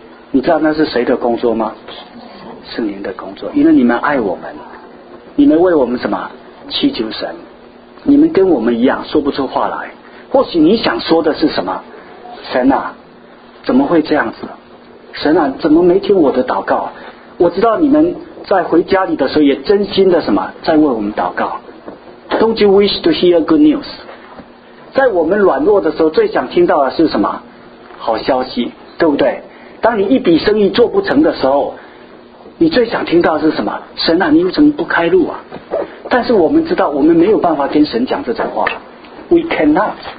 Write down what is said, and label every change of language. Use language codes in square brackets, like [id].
[zh] 你知道那是谁的工作吗？是您的工作，因为你们爱我们，你们为我们什么祈求神，你们跟我们一样说不出话来。或许你想说的是什么，神啊怎么会这样子，神啊怎么没听我的祷告。我知道你们在回家里的时候也真心的什么在为我们祷告。 [en] Don't you wish to hear good news? [zh] 在我们软弱的时候最想听到的是什么好消息，对不对？当你一笔生意做不成的时候，你最想听到的是什么？神啊你为什么不开路啊？但是我们知道我们没有办法跟神讲这种话， [en] We cannot。